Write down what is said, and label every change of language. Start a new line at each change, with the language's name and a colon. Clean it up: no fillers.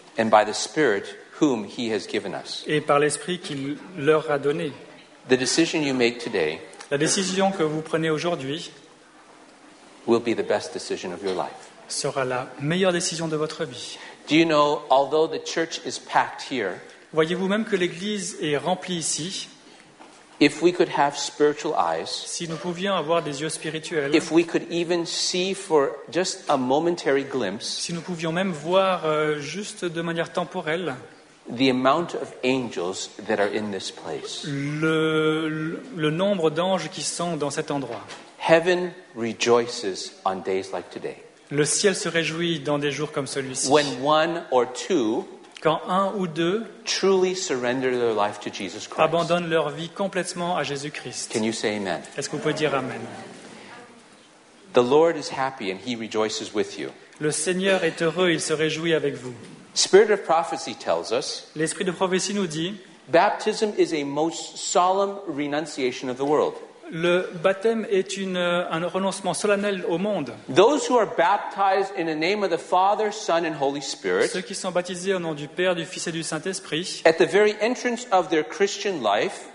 English: and by the Spirit whom he has given us,
French: et par l'Esprit qu'il leur a donné.
English: The decision you make today,
French: la décision que vous prenez aujourd'hui,
English: will be the best decision of your life,
French: sera la meilleure décision de votre vie.
English: Do you know, although the church is packed here,
French: voyez-vous même que l'église est remplie ici.
English: If we could have spiritual eyes,
French: si nous pouvions avoir des yeux spirituels,
English: if we could even see for just a momentary glimpse,
French: si nous pouvions même voir juste de manière temporelle,
English: the amount of angels that are in this place,
French: le nombre d'anges qui sont dans cet endroit,
English: heaven rejoices on days like today.
French: Le ciel se réjouit dans des jours comme celui-ci.
English: When one or two,
French: quand un ou deux,
English: truly surrender their life to Jesus Christ,
French: abandonnent leur vie complètement à Jésus-Christ.
English: Can you say amen?
French: Est-ce que vous pouvez dire amen?
English: The Lord is happy and he rejoices with you.
French: Le Seigneur est heureux, il se réjouit avec vous.
English: Spirit of prophecy tells us,
French: l'Esprit de prophétie nous dit,
English: baptism is a most solemn renunciation of the world.
French: Le baptême est un renoncement solennel au monde.
English: Those who are baptized in the name of the Father, Son, and Holy Spirit,
French: ceux qui sont baptisés au nom du Père, du Fils et du Saint-Esprit,
English: at the very entrance of their Christian life,